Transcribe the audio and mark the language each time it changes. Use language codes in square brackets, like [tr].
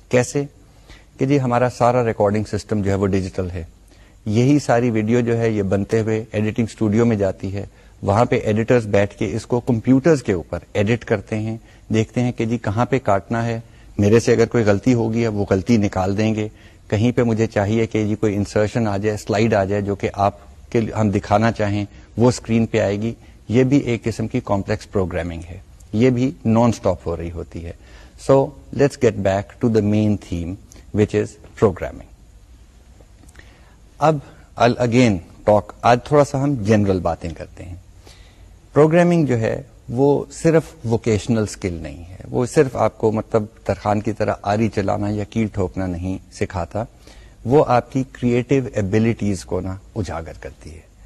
[ur] کیسے؟ کہ جی ہمارا سارا ریکارڈنگ سسٹم جو ہے وہ ڈیجیٹل ہے, یہی ساری ویڈیو جو ہے یہ بنتے ہوئے ایڈیٹنگ اسٹوڈیو میں جاتی ہے, وہاں پہ ایڈیٹرز بیٹھ کے اس کو کمپیوٹرز کے اوپر ایڈٹ کرتے ہیں, دیکھتے ہیں کہ جی کہاں پہ کاٹنا ہے, میرے سے اگر کوئی غلطی ہوگی وہ غلطی نکال دیں گے, کہیں پہ مجھے چاہیے کہ جی کوئی انسرشن آ جائے, سلائیڈ آ جائے جو کہ آپ کے ہم دکھانا چاہیں وہ اسکرین پہ آئے گی. یہ بھی ایک قسم کی کمپلیکس پروگرامنگ ہے, یہ بھی نان اسٹاپ ہو رہی ہوتی ہے. [en] So let's get back to the main theme which is programming. اب I'll again talk, [ur] آج تھوڑا سا ہم جنرل باتیں کرتے ہیں. پروگرامنگ جو ہے وہ صرف ووکیشنل اسکل نہیں ہے, وہ صرف آپ کو مطلب ترخان کی طرح آری چلانا یا کیل ٹھوکنا نہیں سکھاتا, وہ آپ کی کریٹو ایبلٹیز کو نا اجاگر کرتی ہے.